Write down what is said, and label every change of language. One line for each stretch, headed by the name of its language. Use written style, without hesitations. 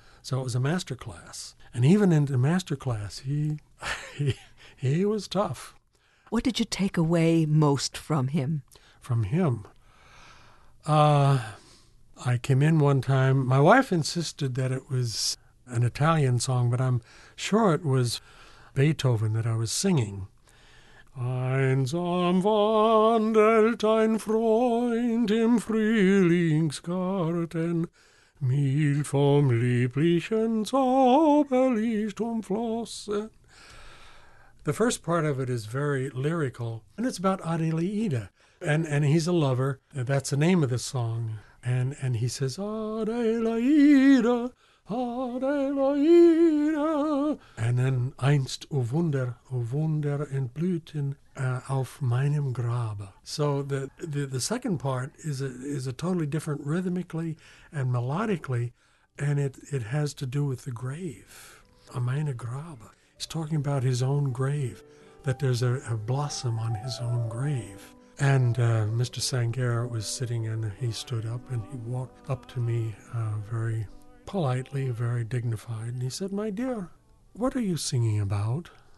English: So it was a master class, and even in the master class he was tough. What did you take away most from him? I came in one time, my wife insisted that it was an Italian song, but I'm sure it was Beethoven that I was singing.
German: Einsam wandelt ein Freund im Frühlingsgarten, mild vom lieblichen Zauberlicht umflossen.
English: The first part of it is very lyrical, and it's about Adelaide, and he's a lover. That's the name of the song, and he says, "Adelaide, Adelaide." And then,
German: "Einst, o Wunder, entblühten auf meinem Grabe."
English: So the second part is a totally different rhythmically and melodically, and it has to do with the grave,
German: a meine Grabe.
English: He's talking about his own grave, that there's a blossom on his own grave. And Mr. Sanger was sitting, and he stood up, and he walked up to me very politely, very dignified, and he said, "My dear, what are you singing about?"